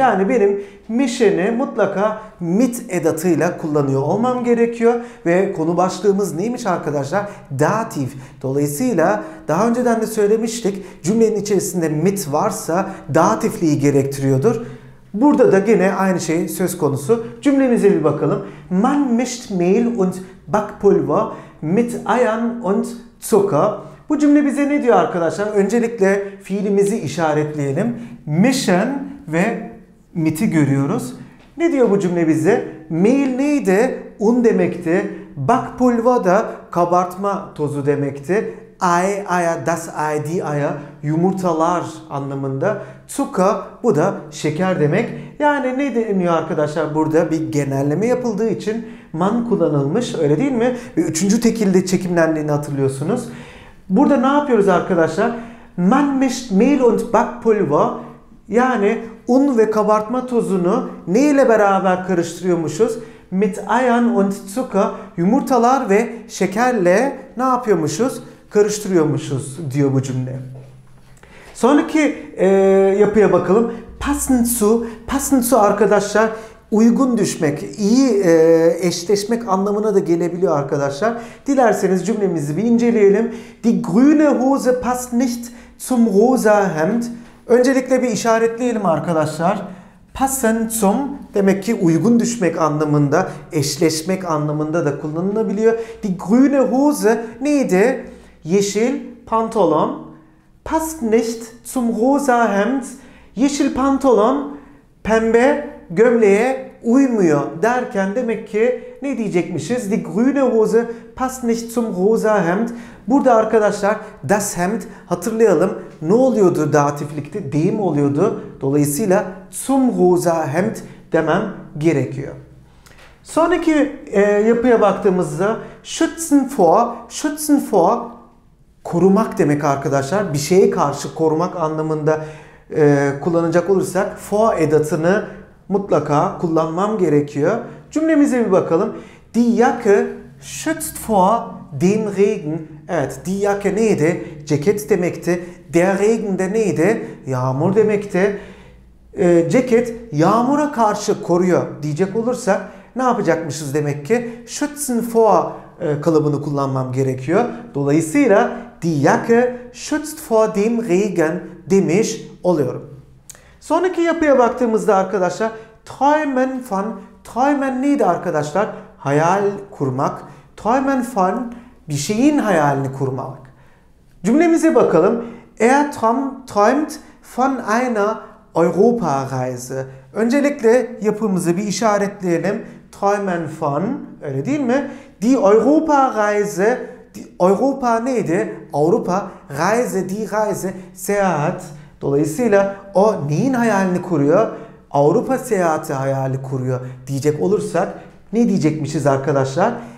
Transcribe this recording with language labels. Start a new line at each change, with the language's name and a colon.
Turkish: Yani benim mischen'i mutlaka mit edatıyla kullanıyor olmam gerekiyor. Ve konu başlığımız neymiş arkadaşlar? Dativ. Dolayısıyla daha önceden de söylemiştik. Cümlenin içerisinde mit varsa datifliği gerektiriyordur. Burada da gene aynı şey söz konusu. Cümlemize bir bakalım.
German: Man mischt Mehl und Backpulver mit Eiern und Zucker.
Turkish: Bu cümle bize ne diyor arkadaşlar? Öncelikle fiilimizi işaretleyelim. Mischen ve mit'i görüyoruz. Ne diyor bu cümle bize? Mehl neydi? Un demekti. Backpulver da kabartma tozu demekti.
German: Ei, Eier, das Ei, die Eier,
Turkish: yumurtalar anlamında. Zucker, bu da şeker demek. Yani ne deniyor arkadaşlar burada? Bir genelleme yapıldığı için man kullanılmış, öyle değil mi? Ve üçüncü tekilde çekimlendiğini hatırlıyorsunuz. Burada ne yapıyoruz arkadaşlar?
German: Man mischt Mehl und Backpulver,
Turkish: yani un ve kabartma tozunu ne ile beraber karıştırıyormuşuz?
German: Mit Eiern und Zucker,
Turkish: yumurtalar ve şekerle ne yapıyormuşuz? Karıştırıyormuşuz diyor bu cümle. Sonraki yapıya bakalım. Passen zu. Passen zu arkadaşlar, uygun düşmek, iyi eşleşmek anlamına da gelebiliyor arkadaşlar. Dilerseniz cümlemizi bir inceleyelim.
German: Die grüne Hose passt nicht zum rosa Hemd.
Turkish: Öncelikle bir işaretleyelim arkadaşlar. Passen zum demek ki uygun düşmek anlamında, eşleşmek anlamında da kullanılabiliyor.
German: Die grüne Hose
Turkish: neydi? Yeşil pantolon
German: passt nicht zum rosa Hemd.
Turkish: Yeşil pantolon pembe gömleğe uymuyor derken demek ki ne diyecekmişiz?
German: Die grüne Hose passt nicht zum rosa Hemd.
Turkish: Burada arkadaşlar
German: das Hemd,
Turkish: hatırlayalım, ne oluyordu datiflikte? Deyim oluyordu. Dolayısıyla
German: zum rosa Hemd
Turkish: demem gerekiyor. Sonraki yapıya baktığımızda schützen vor, schützen vor korumak demek arkadaşlar. Bir şeye karşı korumak anlamında kullanacak olursak vor edatını mutlaka kullanmam gerekiyor. Cümlemize bir bakalım.
German: Die Jacke schützt vor dem Regen.
Turkish: Evet,
German: die Jacke
Turkish: neydi? Ceket demekti.
German: Der Regen
Turkish: de neydi? Yağmur demekti. Ceket yağmura karşı koruyor diyecek olursak ne yapacakmışız demek ki? Schützen vor kalıbını kullanmam gerekiyor. Dolayısıyla
German: die Jacke schützt vor dem Regen
Turkish: demiş oluyorum. Sonraki yapıya baktığımızda arkadaşlar träumen von, träumen neydi arkadaşlar? Hayal kurmak. Träumen von, bir şeyin hayalini kurmak. Cümlemize bakalım.
German: Träumt von einer Europa Reise.
Turkish: Öncelikle yapımızı bir işaretleyelim. Träumen von, öyle değil mi?
German: Die Europa Reise. Europa
Turkish: neydi? Avrupa.
German: Reise, die Reise,
Turkish: seyahat. Dolayısıyla o neyin hayalini kuruyor? Avrupa seyahati hayali kuruyor diyecek olursak ne diyecekmişiz arkadaşlar?